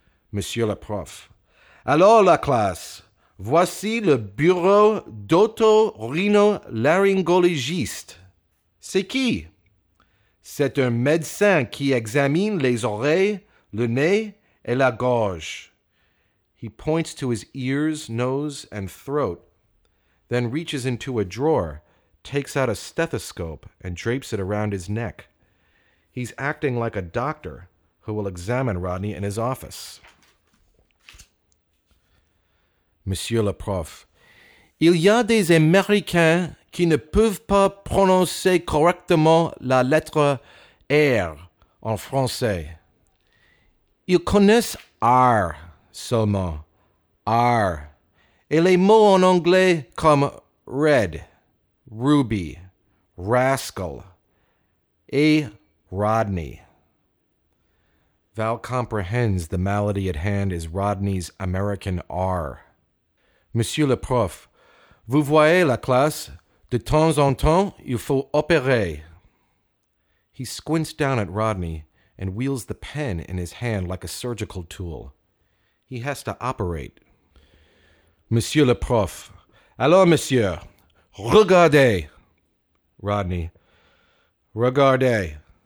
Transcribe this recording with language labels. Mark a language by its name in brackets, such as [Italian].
[French] Monsieur le prof, alors la classe, voici le bureau d'otorhinolaryngologiste. C'est qui? C'est un médecin qui examine les oreilles, le nez, et la gorge. [English] He points to his ears, nose, and throat, then reaches into a drawer, takes out a stethoscope, and drapes it around his neck. He's acting like a doctor who will examine Rodney in his office. [French] Monsieur le prof, il y a des Américains qui ne peuvent pas prononcer correctement la lettre R en français. Ils connaissent R seulement, R, et les mots en anglais comme red, ruby, rascal, et Rodney. [English] Val comprehends the malady at hand is Rodney's American R. [French] Monsieur le prof, vous voyez la classe, de temps en temps, il faut opérer. [English] He squints down at Rodney and wields the pen in his hand like a surgical tool. He has to operate. [French] Monsieur le prof. Alors, monsieur. Regardez. Rodney. Regardez.